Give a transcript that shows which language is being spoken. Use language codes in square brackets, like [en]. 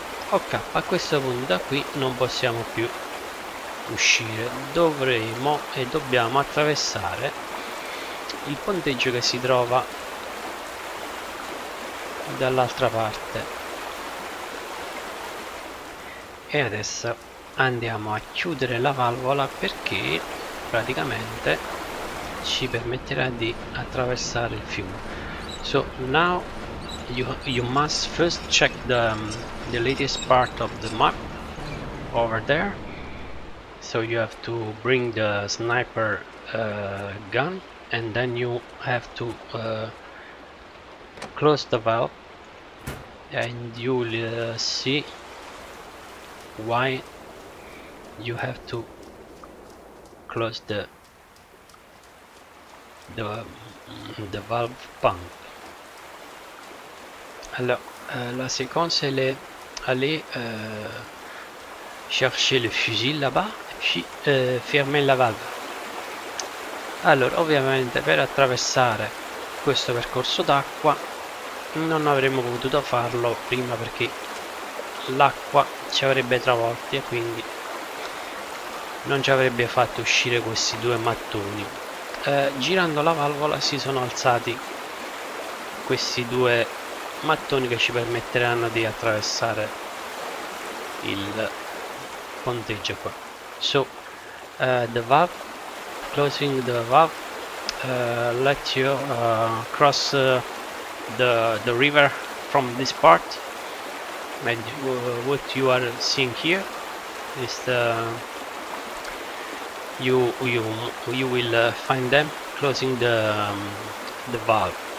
[it] Ok, a questo punto da qui non possiamo più uscire, dovremo e dobbiamo attraversare il ponteggio che si trova dall'altra parte. E adesso andiamo a chiudere la valvola, perché praticamente ci permetterà di attraversare il fiume. [en] So now you must first check the latest part of the map over there. So you have to bring the sniper gun, and then you have to close the valve, and you'll see why you have to close the valve pump. [fr] Alors, la séquence elle est aller chercher le fusil là-bas, puis fermer la valve. [it] Allora, ovviamente per attraversare questo percorso d'acqua non avremmo potuto farlo prima, perché l'acqua ci avrebbe travolti e quindi non ci avrebbe fatto uscire questi due mattoni. Girando la valvola si sono alzati questi due mattoni che ci permetteranno di attraversare il ponteggio qua. [en] So the valve, closing the valve, let you cross the river from this part. And what you are seeing here is the you will find them closing the valve.